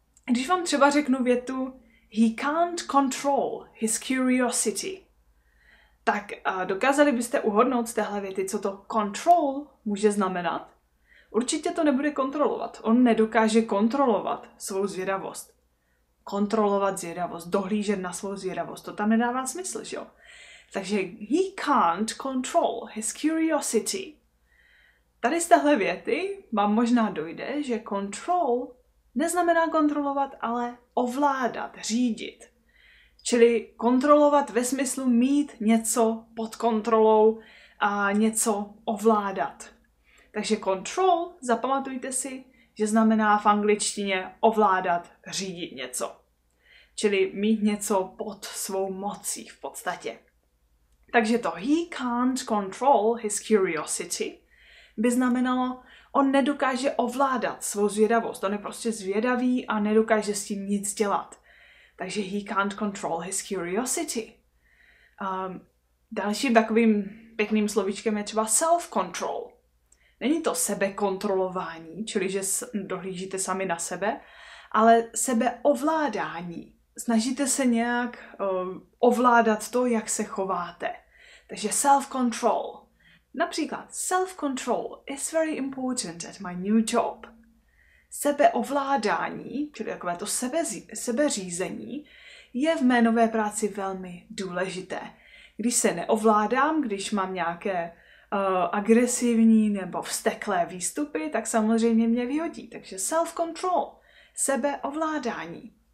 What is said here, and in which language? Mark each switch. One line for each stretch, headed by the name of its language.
Czech: Když vám třeba řeknu větu
English: he can't control his curiosity,
Czech: tak dokázali byste uhodnout z téhle věty, co to control může znamenat? Určitě to nebude kontrolovat. On nedokáže kontrolovat svou zvědavost. Kontrolovat zvědavost, dohlížet na svou zvědavost, to tam nedává smysl, že jo? Takže
English: he can't control his curiosity.
Czech: Tady z téhle věty vám možná dojde, že control neznamená kontrolovat, ale ovládat, řídit. Čili kontrolovat ve smyslu mít něco pod kontrolou a něco ovládat. Takže control, zapamatujte si, že znamená v angličtině ovládat, řídit něco. Čili mít něco pod svou mocí v podstatě. Takže to
English: he can't control his curiosity
Czech: by znamenalo, on nedokáže ovládat svou zvědavost. On je prostě zvědavý a nedokáže s tím nic dělat. Takže
English: he can't control his curiosity.
Czech: Dalším takovým pěkným slovíčkem je třeba self-control. Není to sebekontrolování, čili že dohlížíte sami na sebe, ale sebeovládání. Snažíte se nějak ovládat to, jak se chováte. Takže self-control. Například
English: self-control is very important at my new job.
Czech: Sebeovládání, čili takové to sebeřízení, je v mé nové práci velmi důležité. Když se neovládám, když mám nějaké agresivní nebo vzteklé výstupy, tak samozřejmě mě vyhodí. Takže self-control, sebeovládání.